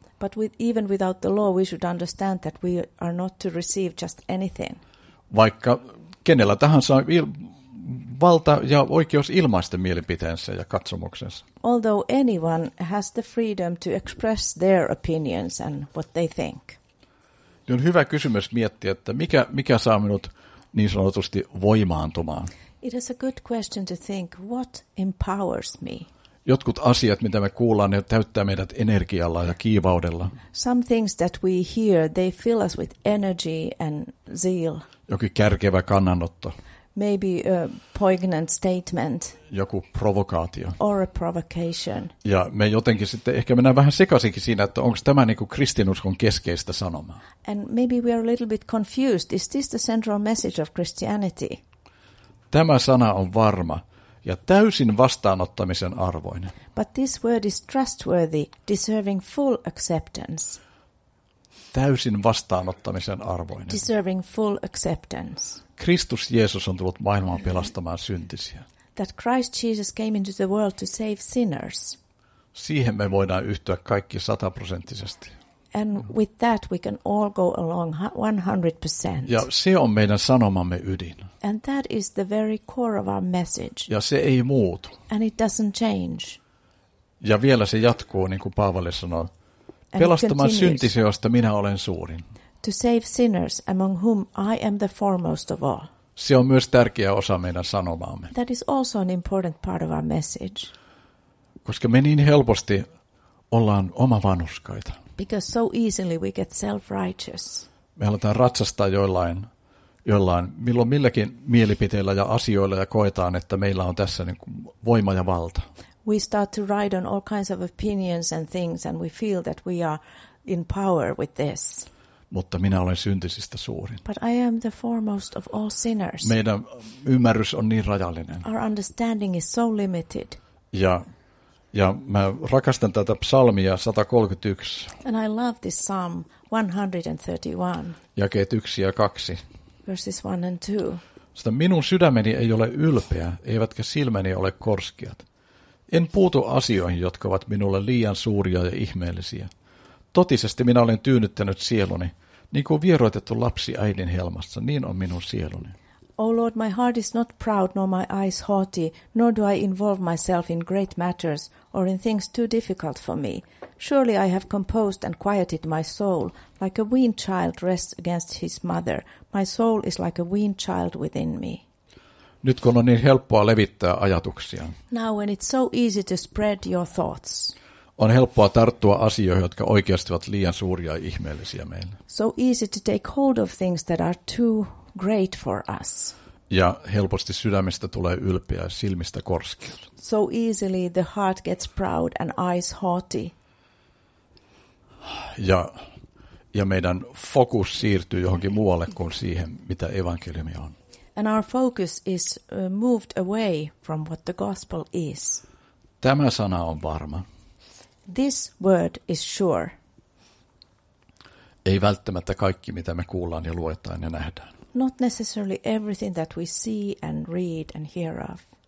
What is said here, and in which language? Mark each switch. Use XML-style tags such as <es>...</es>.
<en>But with, even without the law we should understand that we are not to receive just anything.</en> <fi>Vaikka kenellä tahansa on valta ja oikeus ilmaista mielipiteensä ja katsomuksensa.</fi> <en>Although anyone has the freedom to express their opinions and what they think.</en> <fi>On hyvä kysymys miettiä, että mikä saa minut niin sanotusti voimaantumaan.</fi> <en>It is a good question to think, what empowers me?</en> <fi>Jotkut asiat, mitä me kuullaan, ne täyttää meidät energialla ja kiivaudella.</fi> <en>Some things that we hear, they fill us with energy and zeal.</en> <fi>Jokin kärkevä kannanotto.</fi> <en>Maybe a poignant statement.</en> <fi>Joku provokaatio.</fi> <en>Or a provocation.</en> <fi>Ja me jotenkin sitten ehkä mennään vähän sekaisinkin siinä, että onko tämä niin kuin kristinuskon keskeistä sanomaa.</fi> <en>And maybe we are a little bit confused. Is this the central message of Christianity?</en> <fi>Tämä sana on varma ja täysin vastaanottamisen arvoinen.</fi> <en>But this word is trustworthy, deserving full acceptance.</en> <fi>Täysin vastaanottamisen arvoinen.</fi> <en>Deserving full acceptance.</en> <fi>Kristus Jeesus on tullut maailmaan pelastamaan syntisiä.</fi> <en>That Christ Jesus came into the world to save sinners.</en> <fi>Siihen me voidaan yhtyä kaikki 100%.</fi> <en>And with that we can all go along 100%.</en> <fi>Ja se on meidän sanomamme ydin.</fi> <en>And that is the very core of our message.</en> <fi>Ja se ei muutu.</fi> <en>And it doesn't change.</en> <fi>Ja vielä se jatkuu, niin kuin Paavali sanoi, pelastamaan syntisiä, josta minä olen suurin.</fi> <en>To save sinners among whom I am the foremost of all.</en> <fi>Se on myös tärkeä osa meidän sanomaamme.</fi> <en>That is also an important part of our message.</en> <fi>Koska me niin helposti ollaan oma vanuskaita.</fi> <en>Because so easily we get self-righteous.</en> <fi>Me halutaan ratsastaa joillain milloin milläkin mielipiteillä ja asioilla ja koetaan, että meillä on tässä niin kuin voima ja valta.</fi> <en>We start to ride on all kinds of opinions and things and we feel that we are in power with this.</en> <fi>Mutta minä olen syntisistä suurin.</fi> <en>But I am the foremost of all sinners.</en> <fi>Meidän ymmärrys on niin rajallinen.</fi> <en>Our understanding is so limited.</en> <fi>Ja mä rakastan tätä psalmia 131.</fi> <en>And I love this psalm 131.</en> <fi>Jakeet 1 ja 2.</fi> <en>Verses 1 and 2.</en> <fi>Sitä minun sydämeni ei ole ylpeä, eivätkä silmäni ole korskeat. En puutu asioihin, jotka ovat minulle liian suuria ja ihmeellisiä. Totisesti minä olen tyynnyttänyt sieluni, niin kuin vieroitettu lapsi äidin helmassa, niin on minun sieluni.</fi> <en>O Lord, my heart is not proud, nor my eyes haughty, nor do I involve myself in great matters, or in things too difficult for me. Surely I have composed and quieted my soul, like a weaned child rests against his mother. My soul is like a weaned child within me.</en> <fi>Nyt kun on niin helppoa levittää ajatuksia.</fi> <en>Now when it's so easy to spread your thoughts.</en> <fi>On helppoa tarttua asioihin, jotka oikeasti ovat liian suuria ja ihmeellisiä meille.</fi> <en>So easy to take hold of things that are too great for us.</en> <fi>Ja helposti sydämestä tulee ylpeä ja silmistä korskeus.</fi> <en>So easily the heart gets proud and eyes haughty.</en> <fi>Ja meidän fokus siirtyy johonkin muualle kuin siihen, mitä evankeliumi on.</fi> <en>and our focus is moved away from what the gospel is.</en> <fi>Tämä sana on varma.</fi> <en>This word is sure.</en> <fi>Ei välttämättä kaikki, mitä me kuullaan ja luetaan ja nähdään.</fi> <en>Not necessarily everything that we see and read and hear of.</en>